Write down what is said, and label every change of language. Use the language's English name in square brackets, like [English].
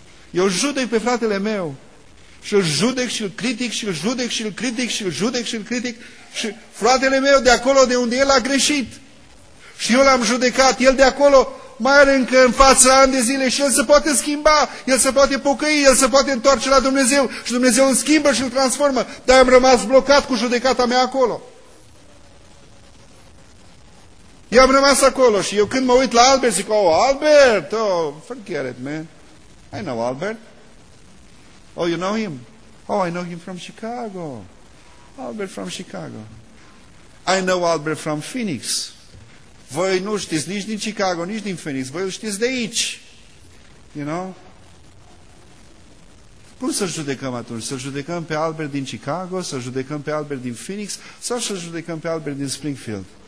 [Romanian] Eu judec pe fratele meu și îl judec și îl critic și îl judec și îl critic și îl judec și îl critic și fratele meu de acolo de unde el a greșit și eu l-am judecat, el de acolo mai are încă în față ani de zile și el se poate schimba, el se poate pocăi, el se poate întoarce la Dumnezeu și Dumnezeu îl schimbă și îl transformă, dar am rămas blocat cu judecata mea acolo. Eu am rămas acolo și eu când mă uit la Albert zic, oh, Albert, [English] oh, forget it, man. I know Albert. Oh, you know him? Oh, I know him from Chicago. Albert from Chicago. I know Albert from Phoenix. [Romanian] Voi nu știți nici din Chicago, nici din Phoenix. Voi îl știți de aici. [English] You know? [Romanian] Cum să-l judecăm atunci? Să-l judecăm pe Albert din Chicago? Să-l judecăm pe Albert din Phoenix? Sau să-l judecăm pe Albert din Springfield?